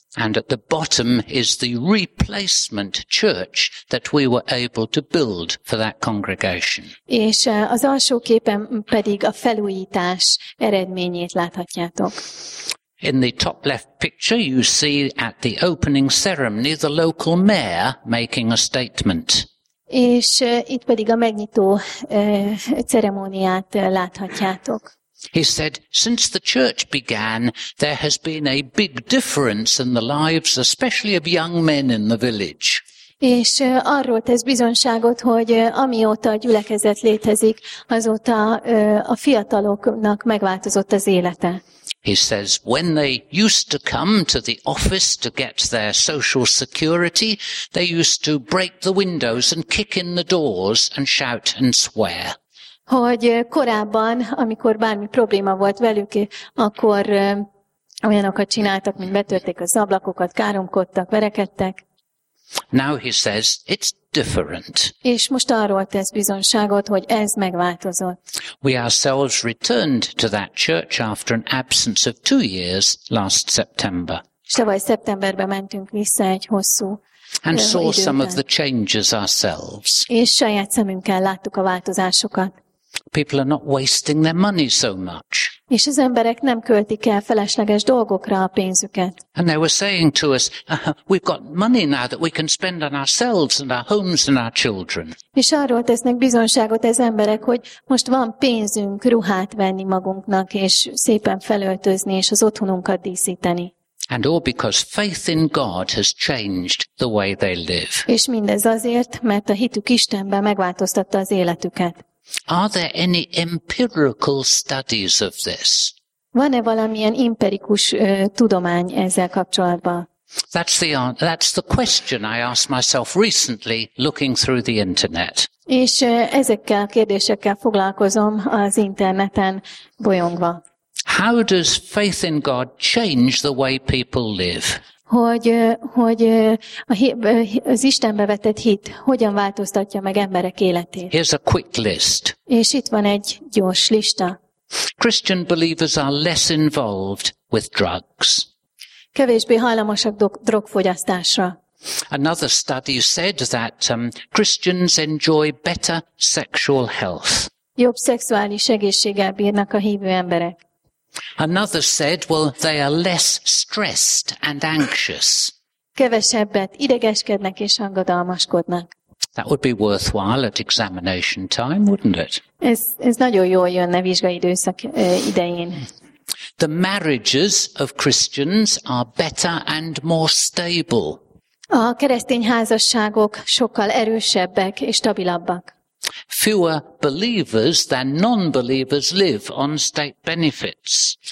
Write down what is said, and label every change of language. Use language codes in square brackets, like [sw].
[en] And at the bottom is the replacement church that we were able to build for that congregation. [hu] És az alsó képen pedig a felújítás eredményét láthatjátok. [en] In the top left picture you see at the opening ceremony the local mayor making a statement. [hu] És itt pedig a megnyitó ceremóniát láthatjátok. [en] He said, since the church began, there has been a big difference in the lives, especially of young men in the village. [hu] És arról tesz bizonságot, hogy amióta a gyülekezet létezik, azóta a fiataloknak megváltozott az élete. [en] He says, when they used to come to the office to get their social security, they used to break the windows and kick in the doors and shout and swear. [hu] Hogy korábban, amikor bármi probléma volt velük, akkor olyanokat csináltak, mint betörték az ablakokat, káromkodtak, verekedtek. [en] Now he says, it's different. [hu] És most arról tesz bizonságot, hogy ez megváltozott. [en] We ourselves returned to that church after an absence of 2 years last September. [hu] És tavaly szeptemberben mentünk vissza egy hosszú [en] and saw [hu] időben. [en] Some of the changes ourselves. [hu] És saját szemünkkel láttuk a változásokat. [en] People are not wasting their money so much. [hu] És az emberek nem költik el felesleges dolgokra a pénzüket. [en] And they were saying to us, we've got money now that we can spend on ourselves and our homes and our children. [hu] És arról tesznek bizonságot az emberek, hogy most van pénzünk ruhát venni magunknak, és szépen felöltözni, és az otthonunkat díszíteni. [en] And all because faith in God has changed the way they live. [hu] És mindez azért, mert a hitük Istenben megváltoztatta az életüket. [en] Are there any empirical studies of this? [hu] Van-e valamilyen empirikus tudomány ezzel kapcsolatban? [en] That's the question I asked myself recently looking through the internet. [hu] És ezekkel a kérdésekkel foglalkozom az interneten bolyongva. [en] How does faith in God change the way people live? [hu] Hogy az Istenbe vetett hit hogyan változtatja meg emberek életét. [en] Here's a quick list. [hu] És itt van egy gyors lista. [en] Christian believers are less involved with drugs. [hu] Kevésbé hajlamosak drogfogyasztásra. [en] Another study said that Christians enjoy better sexual health. [hu] Jobb szexuális egészséggel bírnak a hívő emberek. [en] Another said, well, they are less stressed and anxious. [hu] Kevesebbet idegeskednek és aggodalmaskodnak. [en] That would be worthwhile at examination time, wouldn't it? [hu] Ez nagyon jól jönne vizsgai időszak idején. [en] The marriages of Christians are better and more stable. [hu] A keresztény házasságok sokkal erősebbek és stabilabbak. [en] Fewer believers than non-believers live on state benefits.